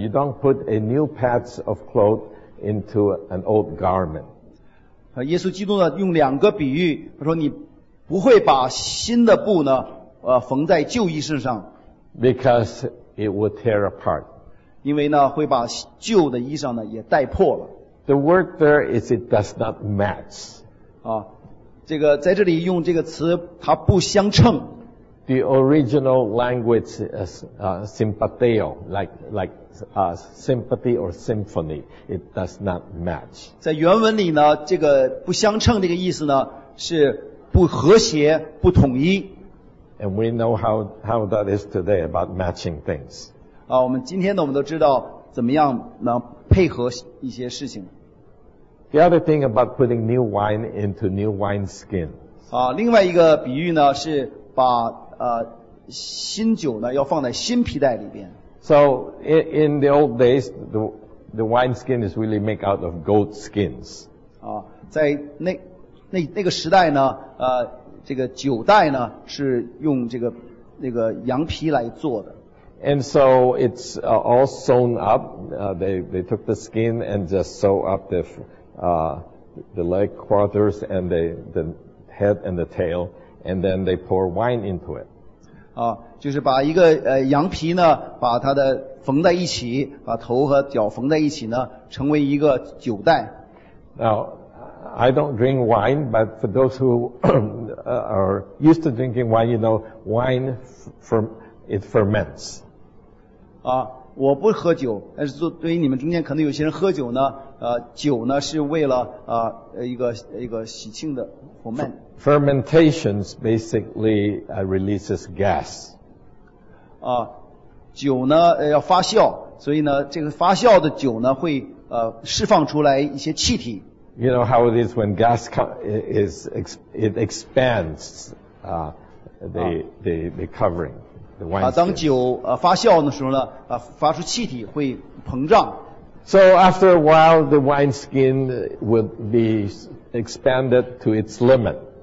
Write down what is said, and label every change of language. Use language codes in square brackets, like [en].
[en] You don't put a new patch of cloth into an old garment. [zh] 耶稣基督呢用两个比喻，他说你不会把新的布呢，缝在旧衣身上。 [en] Because it would tear apart. [zh] 因为呢，会把旧的衣裳呢也带破了。 [en] The word there is it does not match. [zh] 这个在这里用这个词，它不相称。 [en] The original language is sympatheo, like sympathy or symphony. It does not match. [zh] 在原文里呢，这个不相称这个意思呢是。不和谐不统一。 [en] And we know how that is today about matching things. [zh] 我们今天呢我们都知道怎么样能配合一些事情。 [en] The other thing about putting new wine into new wineskin. [zh] 另外一个比喻呢是把新酒呢要放在新皮带里边。 [en] So in the old days, the wineskin is really made out of goat skins. [zh] 在那个时代呢，这个酒袋呢是用这个羊皮来做的。 [en] And so it's all sewn up. They took the skin and just sew up the leg quarters and the head and the tail, and then they pour wine into it. [zh] 就是把一个羊皮呢，把它的缝在一起，把头和脚缝在一起呢，成为一个酒袋。 [en] Now,I don't drink wine, but for those who are used to drinking wine, you know, wine, it ferments. [zh] 我不喝酒，但是对于你们中间可能有些人喝酒呢，酒呢是为了一个喜庆的 ferment. [en] Fermentation basically releases gas. [zh] 酒呢要发酵，所以呢这个发酵的酒呢会释放出来一些气体。 [en] You know how it is when gas it expands the covering, the wine skin. [zh] 当酒发酵的时候呢，发出气体会膨胀。 [en] So after a while, the wine skin would be expanded to its limit.